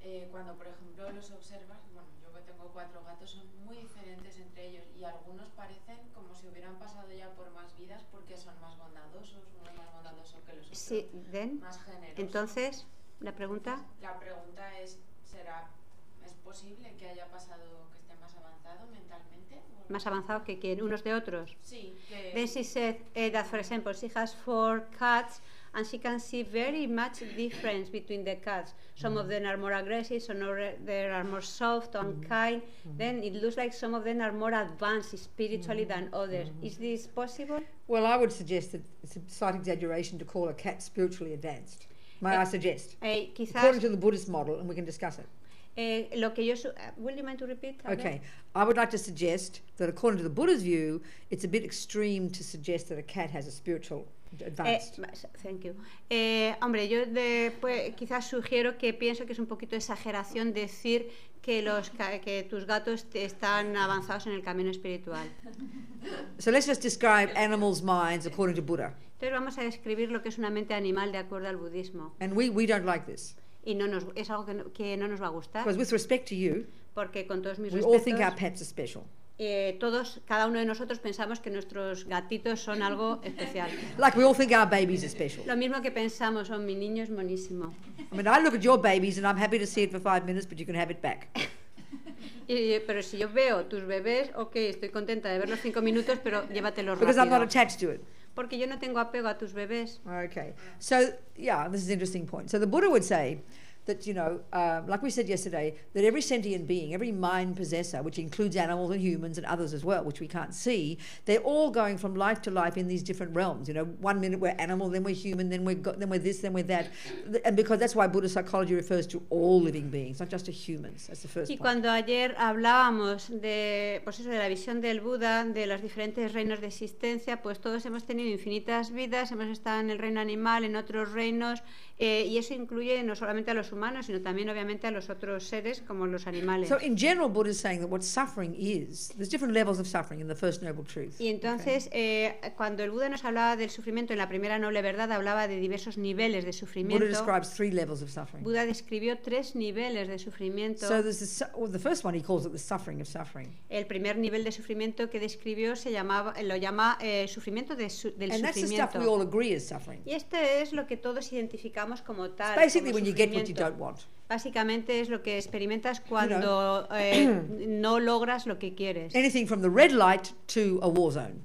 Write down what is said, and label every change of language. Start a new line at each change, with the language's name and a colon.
Spanish: Cuando, por ejemplo, los observas, bueno, yo que tengo cuatro gatos, son muy diferentes entre ellos y algunos parecen como si hubieran pasado ya por más vidas porque son más bondadosos, uno más bondadoso que los otros. Sí, ¿ven? Más generosos. Entonces, ¿la pregunta? La pregunta es, ¿será, es posible que haya pasado, que esté más avanzado mentalmente? ¿O más avanzado que quién? ¿Unos de otros? Sí.
English: Then she said that, for example, she has four cats and she can see very much difference between the cats. Some of them are more aggressive, some of them are more soft and kind. Then it looks like some of them are more advanced spiritually than others. Is this possible? Well, I would suggest that it's a slight exaggeration to call a cat spiritually advanced. May I suggest?
Spanish: Quizás,
English: according to the Buddhist model, and we can discuss it.
Spanish: Lo que yo
English: will you mind to repeat? Okay. I would like to suggest that according to the Buddha's view, it's a bit extreme to suggest that a cat has a spiritual advanced. Thank you.
Spanish: Hombre, yo quizás sugiero que pienso que es un poquito exageración decir que que tus gatos están avanzados en el camino espiritual.
English: So let's just describe animals' minds according to Buddha.
Spanish: Entonces vamos a describir lo que es una mente animal de acuerdo al budismo.
English: And we don't like this.
Spanish: Y no nos, es algo que no nos va a gustar.
English: Because with respect to you,
Spanish: porque con todos mis
English: we
Spanish: respetos,
English: all think our pets are special.
Spanish: Todos, cada uno de nosotros pensamos que nuestros gatitos son algo especial.
English: Like we all think our babies are special.
Spanish: Lo mismo que pensamos, son mi niño es monísimo.
English: I mean, I look at your babies and I'm happy to see it for 5 minutes, but you can have it back.
Spanish: Pero si yo veo tus bebés, okay, estoy contenta de verlos 5 minutos, pero llévatelos rápido.
English: Because I'm not attached to it.
Spanish: Porque yo no tengo apego a tus bebés.
English: Okay, so yeah, this is an interesting point. So the Buddha would say that, you know, like we said yesterday, that every sentient being, every mind possessor, which includes animals and humans and others as well, which we can't see, they're all going from life to life in these different realms. You know, 1 minute we're animal, then we're human, then we're this, then we're that. And because that's why Buddhist psychology refers to all living beings, not just to humans. That's the first
Spanish: point. Y cuando ayer hablábamos de, pues eso, de la visión del Buda, de los diferentes reinos de existencia, pues todos hemos tenido infinitas vidas, hemos estado en el reino animal, en otros reinos, y eso incluye no solamente a los humanos, sino también obviamente a los otros seres como los animales.
English: So in general, Buddha is saying that what suffering is, there's different levels of suffering in the first noble truth.
Spanish: Y entonces, okay. Cuando el Buda nos hablaba del sufrimiento en la primera noble verdad, hablaba de diversos niveles de sufrimiento.
English: Buddha describes three levels of suffering.
Spanish: Buda describió tres niveles de sufrimiento.
English: So there's the first one he calls it the suffering of suffering.
Spanish: El primer nivel de sufrimiento que describió se llamaba, lo llama sufrimiento del
English: and
Spanish: sufrimiento.
English: That's the stuff we all agree is suffering.
Spanish: Y este es lo que todos identificamos como tal.
English: It's basically when you get what you don't want.
Spanish: Básicamente es lo que experimentas cuando no logras lo que quieres.
English: Anything from the red light to a war zone.